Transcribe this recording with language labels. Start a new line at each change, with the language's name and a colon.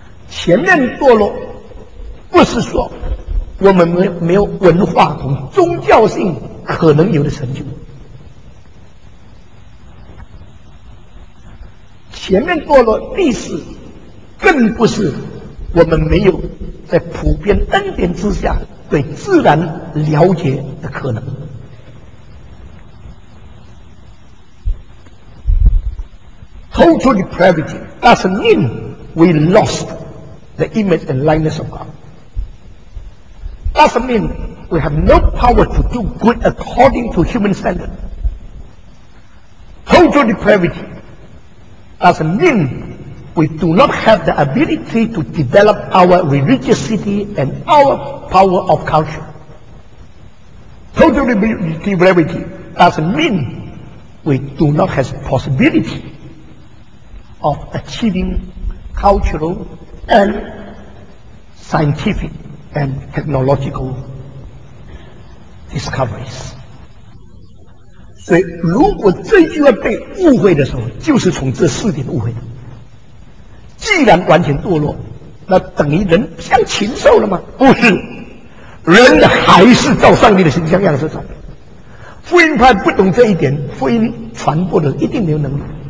Chinese: 前面堕落不是说我们没有文化和宗教性可能有的成就，前面堕落历史更不是我们没有在普遍恩典之下对自然了解的可能。
English: Total depravity doesn't mean we lost the image and likeness of God. Doesn't mean we have no power to do good according to human standard. Total depravity doesn't mean we do not have the ability to develop our religiosity and our power of culture. Total depravity doesn't mean we do not have possibilityof achieving cultural and scientific and technological discoveries.
Chinese: 所以如果这句话被误会的时候，就是从这四点误会的。既然完全堕落，那等于人像禽兽了吗？不是，人还是照上帝的形象样式走。福音派不懂这一点，福音传播的一定没有能力。